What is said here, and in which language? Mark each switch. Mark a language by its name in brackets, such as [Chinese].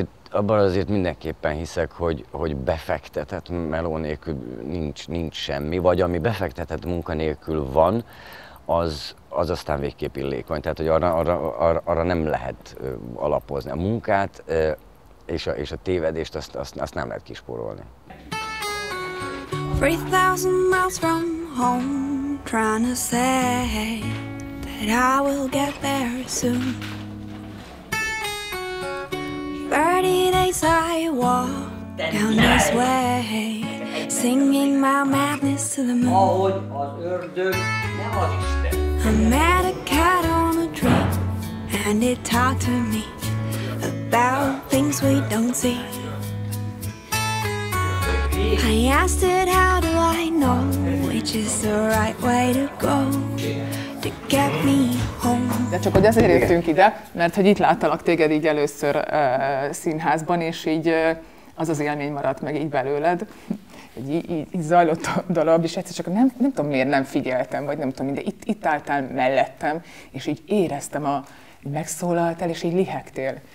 [Hungarian] Abban azért mindenképpen hiszek, hogy befektetett meló nélkül nincs semmi, vagy ami befektetett munka nélkül van, az aztán végképp illékony. Tehát, hogy arra nem lehet alapozni. A munkát és a tévedést azt nem lehet kispórolni. [English] 3000 miles from home, trying to say that I will get there soon. 30 days I walk down this way, singing my madness to the moon. I met a cat on a tree, and it talked to me about things we don't see. I asked it, how do I know which is the right way to go to get me home? [Hungarian] De csak hogy azért értünk ide, mert hogy itt láttalak téged így először színházban, és így az élmény maradt meg így belőled. Így zajlott a dalab, és egyszer csak nem tudom, miért nem figyeltem, vagy nem tudom, de itt álltál mellettem, és így éreztem, hogy megszólaltál, és így lihegtél.